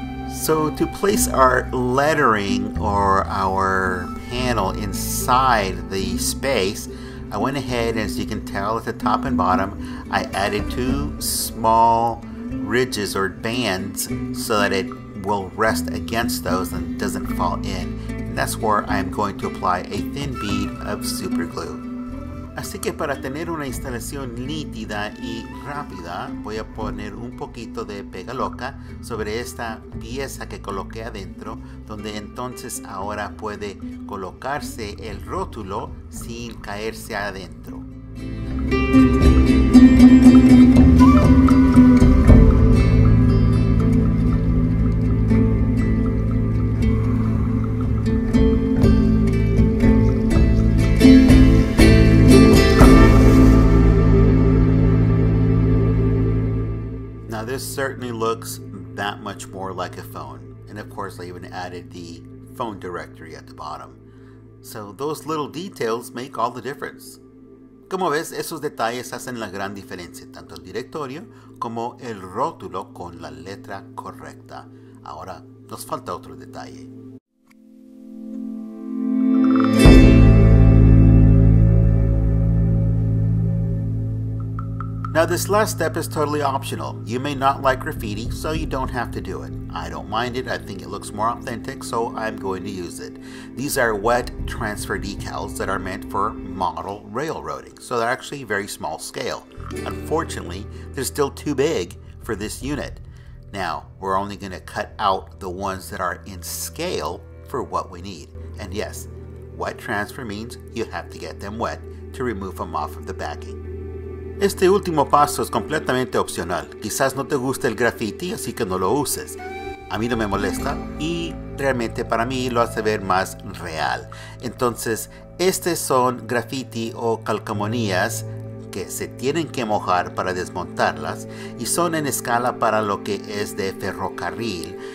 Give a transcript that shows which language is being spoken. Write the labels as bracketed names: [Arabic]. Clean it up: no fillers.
[English] So to place our lettering or our panel inside the space, I went ahead, as you can tell at the top and bottom, I added two small ridges or bands so that it will rest against those and doesn't fall in. And that's where I'm going to apply a thin bead of super glue. [Spanish] Así que para tener una instalación nítida y rápida, voy a poner un poquito de pega loca sobre esta pieza que coloqué adentro, donde entonces ahora puede colocarse el rótulo sin caerse adentro. [English] Certainly looks that much more like a phone, and of course I even added the phone directory at the bottom. So those little details make all the difference. [Spanish] Como ves, esos detalles hacen la gran diferencia, tanto el directorio como el rótulo con la letra correcta. Ahora nos falta otro detalle. [English] Now this last step is totally optional. You may not like graffiti, so you don't have to do it. I don't mind it, I think it looks more authentic, so I'm going to use it. These are wet transfer decals that are meant for model railroading, so they're actually very small scale. Unfortunately, they're still too big for this unit. Now, we're only going to cut out the ones that are in scale for what we need. And yes, wet transfer means you have to get them wet to remove them off of the backing. [Spanish] Este último paso es completamente opcional. Quizás no te guste el graffiti, así que no lo uses. A mí no me molesta y realmente para mí lo hace ver más real. Entonces, estos son graffiti o calcomanías que se tienen que mojar para desmontarlas y son en escala para lo que es de ferrocarril.